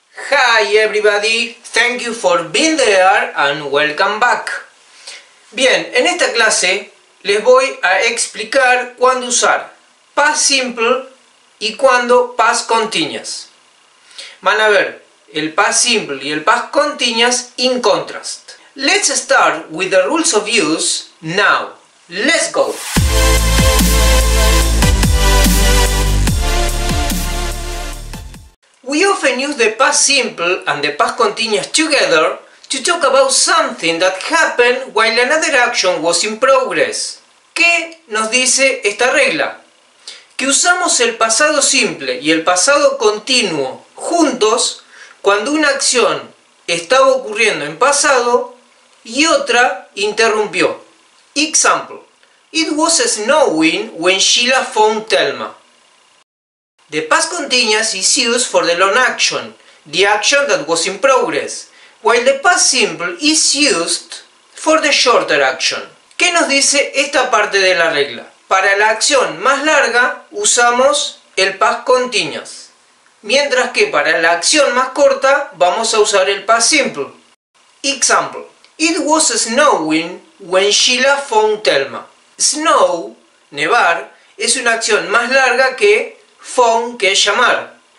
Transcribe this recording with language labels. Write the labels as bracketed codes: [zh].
[en] Hi everybody, thank you for being there and welcome back. [es] Bien, en esta clase les voy a explicar cuándo usar past simple y cuándo past continuous. Van a ver el past simple y el past continuous [en] in contrast. Let's start with the rules of use now. Let's go. We often use the past simple and the past continuous together to talk about something that happened while another action was in progress. [es] ¿Qué nos dice esta regla? Que usamos el pasado simple y el pasado continuo juntos cuando una acción estaba ocurriendo en pasado y otra interrumpió. [en] Example: It was snowing when Sheila found Thelma. The past continuous is used for the long action, the action that was in progress, while the past simple is used for the shorter action. [es] ¿Qué nos dice esta parte de la regla? Para la acción más larga usamos el past continuous, mientras que para la acción más corta vamos a usar el past simple. [en] Example: It was snowing when Sheila found Thelma. [es] Snow, nevar, es una acción más larga que phone, que es llamar.